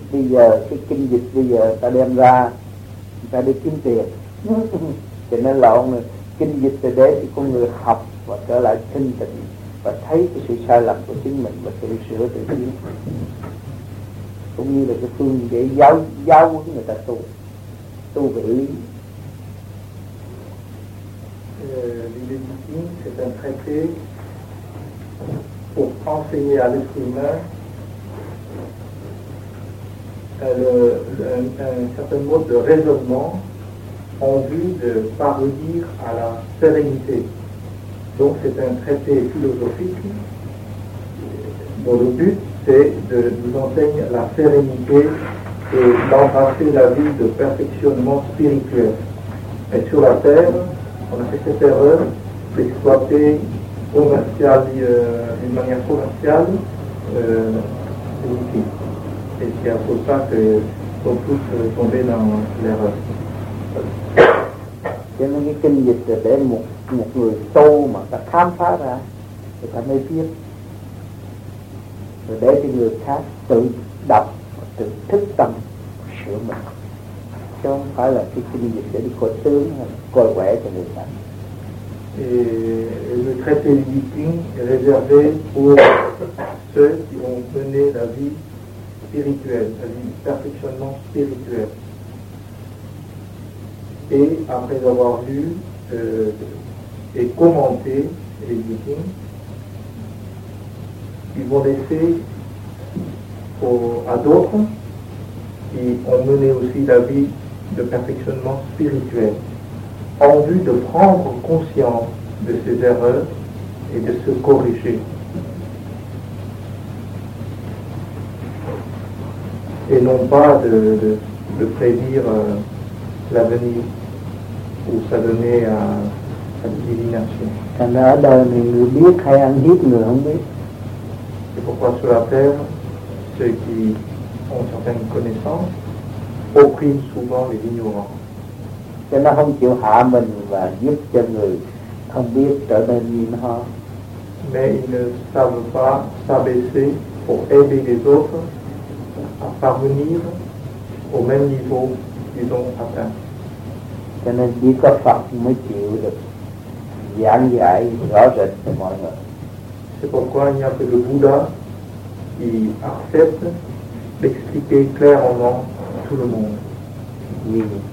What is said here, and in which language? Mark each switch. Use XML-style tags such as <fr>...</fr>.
<vi>Bây giờ cái kinh dịch bây giờ ta đem ra người ta đi kiếm tiền cho nên là ông kinh dịch từ đấy thì con người học và trở lại thanh tịnh và thấy cái sự sai lầm của chính mình và tự sửa tự tiến, cũng như là cái phương để giáo huấn người ta tu về lý.</vi> <fr>L'idée du film, c'est un traité pour enseigner à l'être humain un certain mode de raisonnement en vue de parvenir à la sérénité. Donc c'est un traité philosophique dont le but c'est de nous enseigner la sérénité et d'embrasser la vie de perfectionnement spirituel. Et sur la terre, on a fait cette erreur d'exploiter d'une manière commerciale les outils. Et qu'il ne faut pas qu'on puisse tomber dans l'erreur.</fr> <vi>Cho nên cái kinh dịch là để một người tu mà ta khám phá ra thì ta mới biết. Rồi để cho người khác tự đọc, tự thức tâm, sửa mình. Chứ không phải là cái kinh dịch để đi coi tướng, coi quẻ cho người ta.</vi> <fr>Et le traité du Yiping est réservé pour ceux qui ont mené la vie spirituelle, la vie perfectionnement spirituelle. Et après avoir lu et commenté les Yiping, ils vont laisser à d'autres qui ont mené aussi la vie de perfectionnement spirituel, en vue de prendre conscience de ses erreurs et de se corriger. Et non pas de prédire l'avenir ou s'adonner à la divination. C'est pourquoi sur la terre, ceux qui ont certaines connaissances opprime souvent les ignorants.</fr> <vi>Cho nó không chịu hạ mình và giúp cho người không biết trở nên như nó.</vi> <fr>Mais ils ne savent pas s'abaisser pour aider les autres à parvenir au même niveau qu'ils ont atteint.</fr> <vi>Cho nên chỉ có Phật mới chịu được giảng giải rõ rệt cho mọi người.</vi> <fr>C'est pourquoi il n'y a que le Bouddha qui accepte d'expliquer clairement tout le monde.</fr>